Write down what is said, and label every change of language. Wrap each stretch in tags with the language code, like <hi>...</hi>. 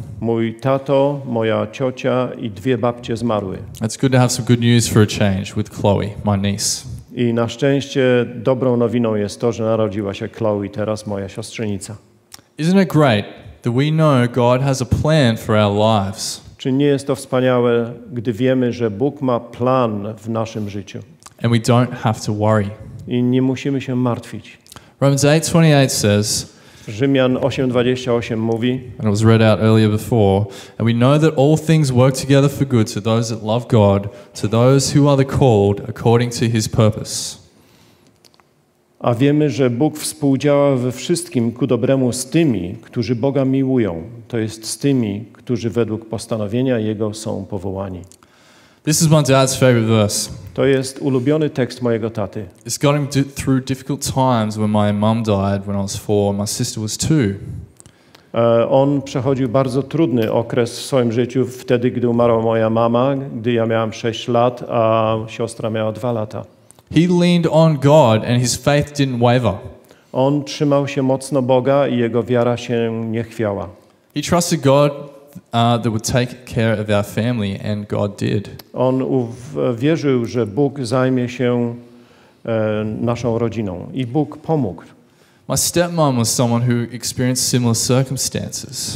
<pl>Mój tato, moja ciocia i dwie babcie zmarły.</pl> <en>It's good to have some good news for a change with Chloe, my niece.</en> <pl>I na szczęście dobrą nowiną jest to, że narodziła się Chloe, teraz moja siostrzenica.</pl> <en>Isn't it great that we know God has a plan for our lives?</en> <pl>Czy nie jest to wspaniałe, gdy wiemy, że Bóg ma plan w naszym życiu?</pl> <en>And we don't have to worry.</en> <pl>I nie musimy się martwić.</pl> <en>Romans 8:28 says,</en> <pl>Rzymian 8:28 mówi,</pl> <en>and it was read out earlier before, and we know that all things work together for good to those that love God, to those who are the called according to his purpose.</en> <pl>A wiemy, że Bóg współdziała we wszystkim ku dobremu z tymi, którzy Boga miłują, to jest z tymi, którzy według postanowienia Jego są powołani.</pl> <en>This is my dad's favorite verse.</en> <pl>To jest ulubiony tekst mojego taty.</pl> <en>It's got him through difficult times when my mom died when I was 4, my sister was 2.</en> <pl>On przechodził bardzo trudny okres w swoim życiu wtedy, gdy umarła moja mama, gdy ja miałam 6 lat, a siostra miała 2 lata.</pl> <en>He leaned on God and his faith didn't waver.</en> <pl>On trzymał się mocno Boga i jego wiara się nie chwiała.</pl> <en>He trusted God that would take care of our family, and God did.</en> <pl>On wierzył, że Bóg zajmie się naszą rodziną i Bóg pomógł.</pl> <en>My stepmom was someone who experienced similar circumstances.</en>